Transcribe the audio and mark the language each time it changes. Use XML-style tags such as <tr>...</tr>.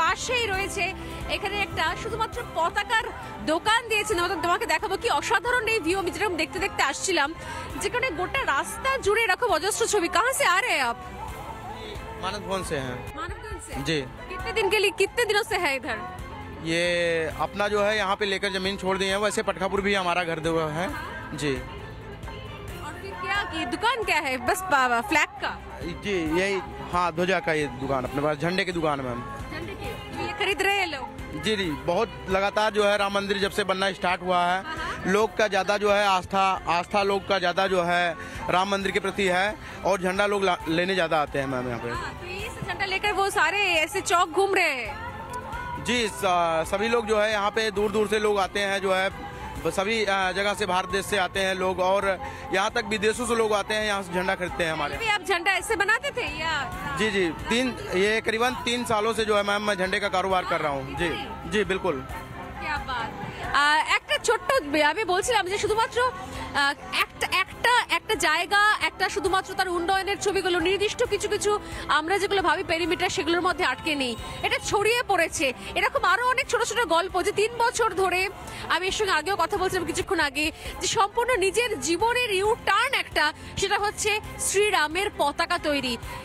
<bn>পতাকার দোকান দিয়েছেন, তোমাকে দেখাবো কি অসাধারণ এই ভিউ। আমি যেরকম দেখতে দেখতে আসছিলাম, যেখানে গোটা রাস্তা জুড়ে এরকম অজস্র ছবি।</bn> <hi>কহাঁ সে আ রহে আপ? মানবগঞ্জ সে হ্যায়। মানবগঞ্জ সে জি। কিতনে দিন কে লিয়ে, কিতনে দিনো সে হ্যায় ইধর? ये अपना जो है यहाँ पे लेकर जमीन छोड़ दी है, वैसे पटकापुर भी हमारा घर हुआ है। हाँ। जी। और क्या की दुकान क्या है? बस पावा फ्लैग का जी, यही। हाँ, ध्वजा का ये दुकान, अपने पास झंडे की दुकान में हम झंडे के ये खरीद रहे हैं लोग। जी जी, बहुत लगातार जो है राम मंदिर जब से बनना स्टार्ट हुआ है, लोग का ज्यादा जो है आस्था लोग का ज्यादा जो है राम मंदिर के प्रति है, और झंडा लोग लेने ज्यादा आते हैं मैम यहाँ पे। झंडा लेकर वो सारे ऐसे चौक घूम रहे हैं जी, सभी लोग जो है यहाँ पे दूर दूर से लोग आते हैं, जो है सभी जगह से, भारत देश से आते हैं लोग, और यहाँ तक विदेशों से लोग आते हैं, यहाँ से झंडा खरीदते हैं हमारे। आप झंडा ऐसे बनाते थे या? जी जी, तीन ये करीबन 3 सालों से जो है मैम मैं झंडे का कारोबार कर रहा हूँ। जी जी बिल्कुल। क्या बात।</hi> <bn>কিছুক্ষণ আগে যে সম্পূর্ণ নিজের জীবনের ইউ টার্ন একটা, সেটা হচ্ছে শ্রীরামের পতাকা তৈরি,</bn>